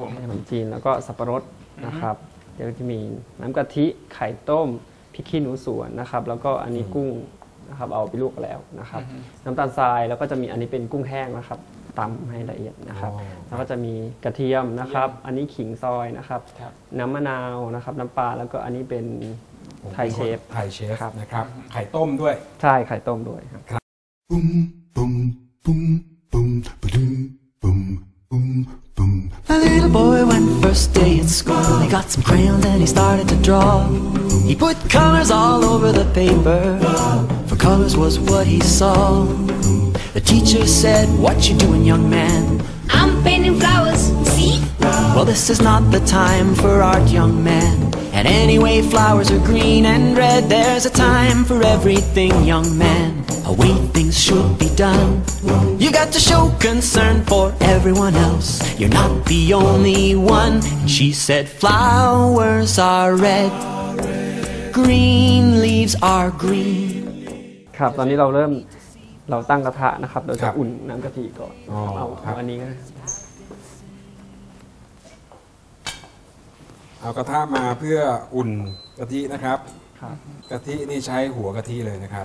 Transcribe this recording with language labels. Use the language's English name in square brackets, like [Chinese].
[Thai] ขนมจีนแล้วก็สับปะรดนะครับเดี๋ยวจะมีน้ำกะทิไข่ต้มพริกขี้หนูสวนนะครับแล้วก็อันนี้กุ้งนะครับเอาไปลวกแล้วนะครับน้ำตาลทรายแล้วก็จะมีอันนี้เป็นกุ้งแห้งนะครับตำให้ละเอียดนะครับแล้วก็จะมีกระเทียมนะครับอันนี้ขิงซอยนะครับ น้ำมะนาวนะครับน้ำปลาแล้วก็อันนี้เป็นไทยเชฟ ไทยเชฟครับนะครับไข่ต้มด้วย ใช่ไข่ต้มด้วยครับ [English] He got some crayons and he started to draw. He put colors all over the paper, for colors was what he saw. The teacher said, "What you doing, young man?" "I'm painting flowers, see?" "Well, this is not the time for art, young man. And anyway, flowers are green and red. There's a time for everything, young man. A way things should be done. You got to show concern for everyone else. You're not the only one." And she said, "Flowers are red. Green leaves are green." [Thai] ครับตอนนี้เราตั้งกระทะนะครับเราจะอุ่นน้ำกะทิก่อนเอาอันนี้ก็ เอากระทะมาเพื่ออุ่นกะทินะครับ ครับ กะทินี่ใช้หัวกะทิเลยนะครับ